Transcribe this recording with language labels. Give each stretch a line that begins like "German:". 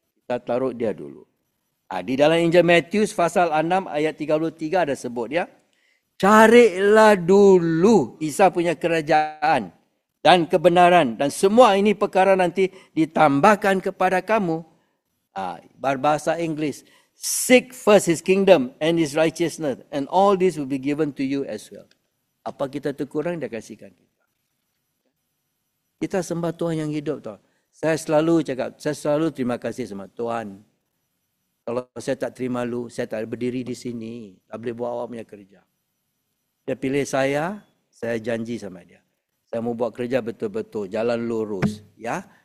Malay: Kita taruh dia dulu. Di dalam Injil Matius pasal 6 ayat 33 ada sebut dia, carilah dulu Isa punya kerajaan dan kebenaran. Dan semua ini perkara nanti ditambahkan kepada kamu. Bahasa Inggeris.
English: Seek first his kingdom and his righteousness, and all this will be given to you as well.
Malay: Apa kita terkurang, dia kasihkan. Kita sembah Tuhan yang hidup. Tuhan. Saya selalu cakap, saya selalu terima kasih sama Tuhan. Kalau saya tak terima lu, saya tak berdiri di sini. Tak boleh buat awak punya kerja. Dia pilih saya, saya janji sama dia. Saya mau buat kerja betul-betul, jalan lurus. Ya.